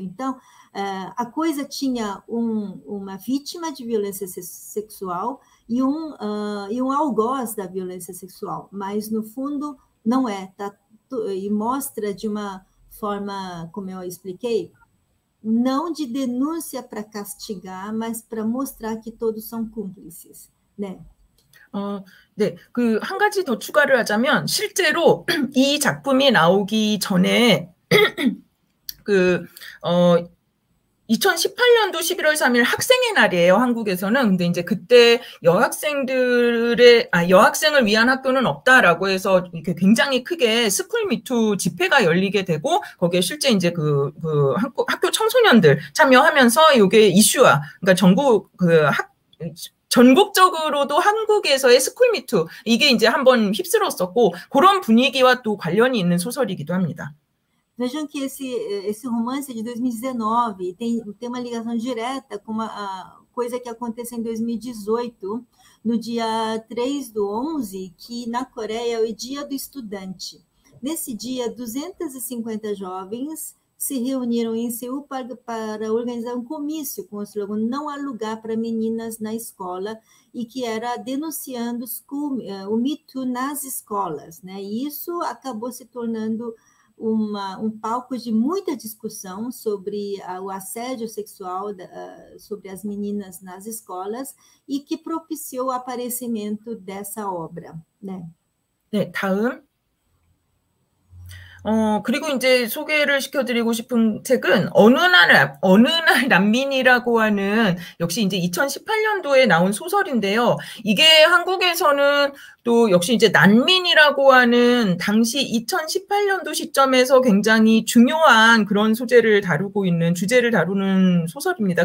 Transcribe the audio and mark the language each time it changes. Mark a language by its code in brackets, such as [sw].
[pt] Então, a coisa tinha uma vítima de violência sexual e um algoz da violência sexual, mas, no fundo, não é. E mostra de uma forma, como eu expliquei, não de denúncia para castigar, mas para mostrar que todos são cúmplices, né? [ko] 네, 그 한 가지 더 추가를 하자면 실제로 이 작품이 나오기 전에 그 2018년도 11월 3일 학생의 날이에요, 한국에서는. 근데 이제 그때 여학생을 위한 학교는 없다라고 해서 이렇게 굉장히 크게 스쿨미투 집회가 열리게 되고, 거기에 실제 이제 그 학교 청소년들 참여하면서 요게 이슈화, 그러니까 전국적으로도 한국에서의 스쿨미투, 이게 이제 한번 휩쓸었었고, 그런 분위기와 또 관련이 있는 소설이기도 합니다. [pt] Vejam que esse romance é de 2019 e tem uma ligação direta com uma coisa que aconteceu em 2018, no dia 3/11, que na Coreia é o dia do estudante. Nesse dia, 250 jovens se reuniram em Seul para organizar um comício com o slogan "Não há lugar para meninas na escola", e que era denunciando o mito nas escolas, né? E isso acabou se tornando um palco de muita discussão sobre o assédio sexual sobre as meninas nas escolas e que propiciou o aparecimento dessa obra, né? [ko] 네, 다음. 그리고 이제 소개를 시켜드리고 싶은 책은 어느 날 난민이라고 하는 역시 이제 2018년도에 나온 소설인데요. 이게 한국에서는 또 역시 이제 난민이라고 하는 당시 2018년도 시점에서 굉장히 중요한 그런 주제를 다루는 소설입니다.